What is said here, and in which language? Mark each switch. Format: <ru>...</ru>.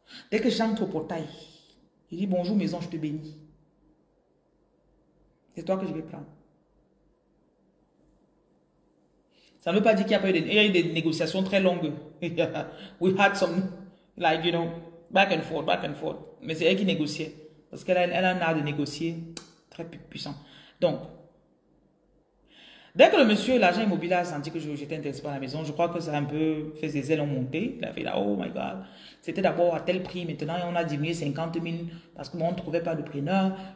<fr>Dès que j'entre au portail, il dit bonjour maison, je te bénis. C'est toi que je vais prendre. Ça ne veut pas dire qu'il y a pas eu des négociations très longues.</fr> <en>We had some, like, you know, back and forth.</en> <fr>Mais c'est elle qui négociait. Parce qu'elle a un art de négocier très puissant. Donc, dès que le monsieur, l'agent immobilier, a senti que j'étais intéressé par la maison, je crois que ça a un peu fait ses ailes en montée. Il a fait là,</fr> <en>oh my God.</en> <fr>C'était d'abord à tel prix. Maintenant, on a diminué 50 000 parce que moi, on ne trouvait pas de preneur.</fr>